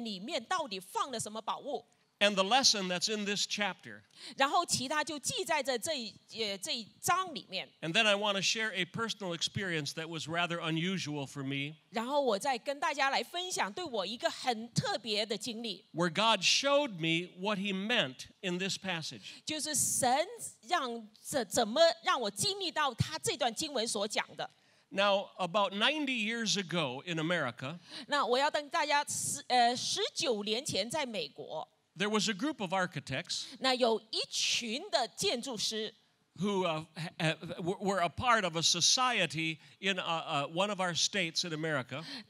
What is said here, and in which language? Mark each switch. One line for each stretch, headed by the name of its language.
Chinese: 跟大家来讲讲这个圣殿里面到底放了什么宝物。
English: And the lesson that's in this chapter.
Chinese: 然后其他就记载在这一章里面。
English: And then I want to share a personal experience that was rather unusual for me.
Chinese: 然后我再跟大家来分享对我一个很特别的经历。
English: Where God showed me what he meant in this passage.
Chinese: 就是神怎么让我经历到他这段经文所讲的。
English: Now, about 90 years ago in America.
Chinese: 那我要跟大家19年前在美国。
English: There was a group of architects who were a part of a society in one of our states in America.